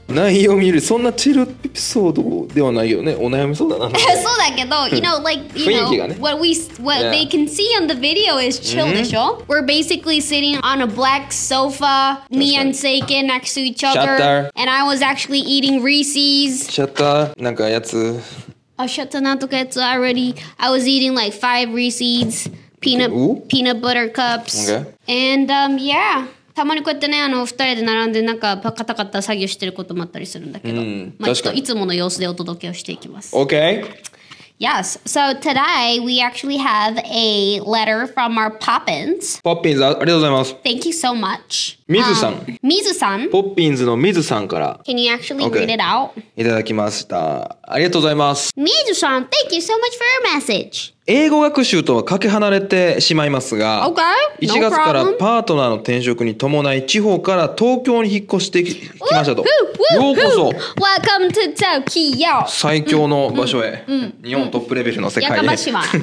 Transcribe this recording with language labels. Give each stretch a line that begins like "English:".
Japanese: 内容見る、そんなチルエピソードではないよね。お悩みそうだな。そうだけど、
English: you know, like, you know,
Japanese: 雰囲気がね。
English: What they can see on the video is chill, でしょ? We're basically sitting on a black sofa, me and Seiken next to each other. Shutter. And I was actually eating Reese's.
Japanese: Shutter, なんかやつ。あ、shutter なんとかやつ
English: already. I was eating like 5 Reese's, peanut butter cups. Okay. And yeah.
Japanese: たまにこうやってね、あの二人で並んでなんかカタカタ作業してることもあったりするんだけど、まあ、確かにいつもの様子でお届けをしていきます。
English: OK Yes, so today we actually have a letter from our Poppins.
Japanese: Poppins, ありがとうございます。
English: Thank you so much. Mizu-san. Mizu-san.
Japanese: Poppins の Mizu-san から。
English: Can you actually read it out?
Japanese: いただきました。ありがとうございます。
English: Mizu-san, thank you so much for your message.
Japanese: 英語学習とはかけ離れてしまいますが、 1 月からパートナーの転職に伴い地方から東京に引っ越してきましたと。ようこそ。
English: Welcome to Tokyo。
Japanese: 最強の場所へ。日本トップレベルの世界へ。やかましいわ。